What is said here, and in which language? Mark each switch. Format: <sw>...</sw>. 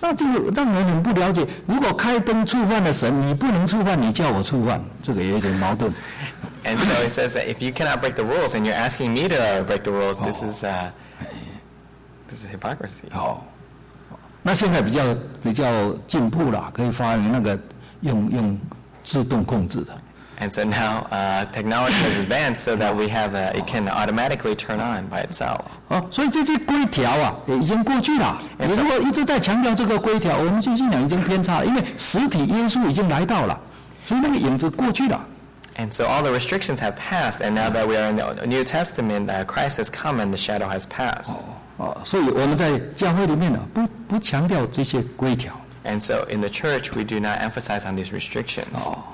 <zh>那这个让人很不了解。如果开灯触犯了神，你不能触犯，你叫我触犯，这个也有点矛盾。</zh> <en>And so it says that if you cannot break the rules and you're asking me to break the rules, this is hypocrisy.</en> <zh>那现在比较进步了，可以发明那个用自动控制的。</zh> <en>And so now technology has advanced so that we have it can automatically turn on by itself.</en> <zh>所以这些规条啊，已经过去了。如果一直在强调这个规条，我们就信仰已经偏差了，因为实体耶稣已经来到了，所以那个影子过去了。And</zh> <en>so all the restrictions have passed, and now that we are in the New Testament, Christ has come and the shadow has passed.</en> <zh>所以我们在教会里面呢，不强调这些规条。And</zh> <en>so in the church, we do not emphasize on these restrictions.</en>